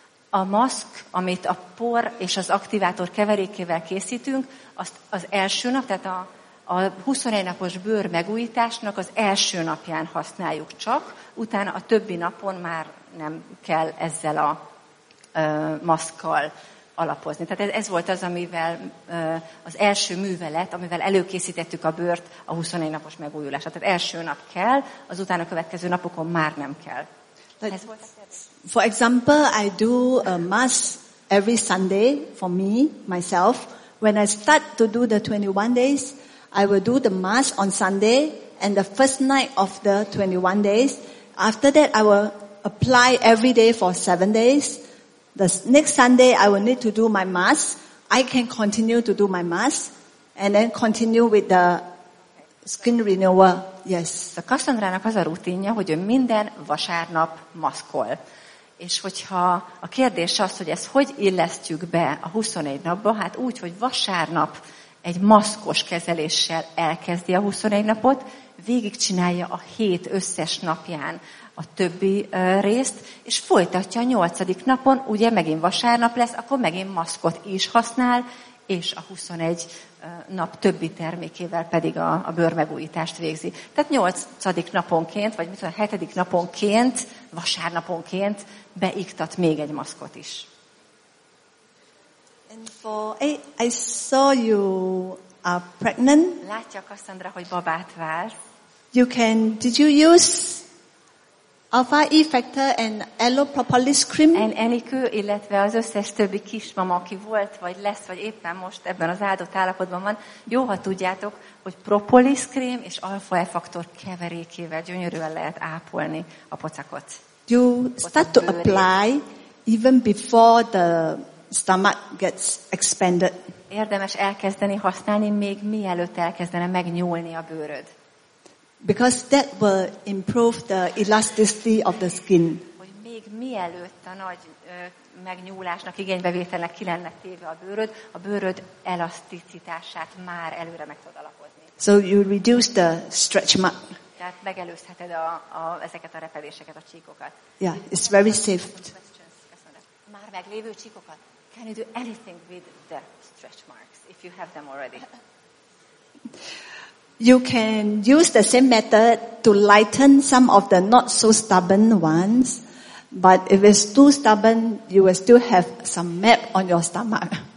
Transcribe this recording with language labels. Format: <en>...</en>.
<hu>A maszk, amit a por és az aktivátor keverékével készítünk, azt az első nap, tehát a 21 napos bőr megújításnak az első napján használjuk csak, utána a többi napon már nem kell ezzel a maszkkal alapozni. Tehát ez volt az, amivel az első művelet, amivel előkészítettük a bőrt a 21 napos megújulásra. Tehát első nap kell, az utána következő napokon már nem kell. Ez volt.</hu> <en>For example, I do a mass every Sunday for me, myself. When I start to do the 21 days, I will do the mass on Sunday and the first night of the 21 days. After that, I will apply every day for 7 days. The next Sunday, I will need to do my mass. I can continue to do my mass and then continue with the skin renewal. Yes.</en> <hu>A Kasszandrának az a rutinja, hogy ő minden vasárnap maszkol. És hogyha a kérdés az, hogy ezt hogy illesztjük be a 21 napba, hát úgy, hogy vasárnap egy maszkos kezeléssel elkezdi a 21 napot, végigcsinálja a hét összes napján a többi részt, és folytatja a 8. napon, ugye megint vasárnap lesz, akkor megint maszkot is használ, és a 21 nap többi termékével pedig a bőrmegújítást végzi. Tehát 8. naponként, vagy mit tudom, 7. naponként, vasárnaponként beiktat még egy maszkot is.</hu> <en>And for I saw you are pregnant.</en> <hu>Látja Kasszandra, hogy babát vár.</hu> <en>You can, did you use alpha E factor and allopropolis cream?</en> <hu>And Enikő, illetve az összes többi kismama, aki volt, vagy lesz, vagy éppen most ebben az áldott állapotban van, jó, ha tudjátok, hogy propolis krém és alpha E faktor keverékével gyönyörűen lehet ápolni a pocakot.</hu> <en>You start to apply even before the stomach gets expanded.</en> <hu>Érdemes elkezdeni használni, még mielőtt elkezdene megnyúlni a bőröd.</hu> <en>Because that will improve the elasticity of the skin.</en> <hu>Hogy még mielőtt a nagy megnyúlásnak, igénybevételnek ki lenne téve a bőröd elaszticitását már előre meg tud alapozni.</hu> <en>So you reduce the stretch mark.</en> <hu>Tehát megelőzheted ezeket a repedéseket, a csíkokat.</hu> <en>Yeah, it's very safe.</en> <hu>Már meglévő csíkokat?</hu> <en>Can you do anything with the stretch marks if you have them already? You can use the same method to lighten some of the not so stubborn ones, but if it's too stubborn, you will still have some map on your stomach.</en>